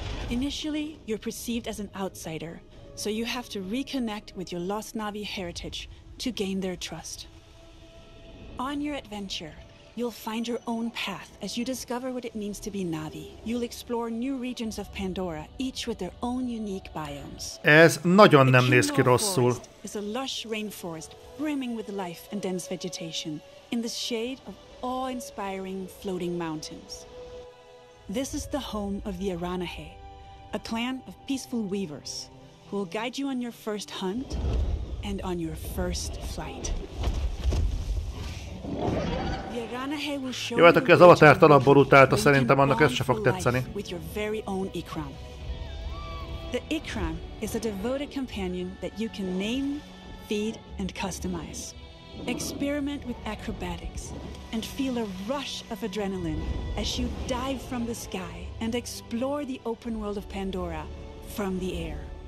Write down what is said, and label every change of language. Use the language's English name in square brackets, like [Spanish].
[English] Initially, you're perceived as an outsider, so you have to reconnect with your lost Na'vi heritage to gain their trust. On your adventure, you'll find your own path as you discover what it means to be Na'vi. You'll explore new regions of Pandora, each with their own unique biomes. [Hungarian] Ez nagyon nem néz ki rosszul. [English] It's a lush rainforest, brimming with life and dense vegetation, in the shade of awe-inspiring floating mountains. This is the home of the Aranahe, a clan of peaceful weavers who will guide you on your first hunt and on your first flight. The Aranahe will show you the [Hungarian] avatar talabbor utálta, szerintem annak ez se fog tetszeni. [English] With your very own Ikram. The Ikram is a devoted companion that you can name, feed, and customize. Experiment with acrobatics and feel a rush of adrenaline as you dive from the sky and explore the open world of Pandora from the air.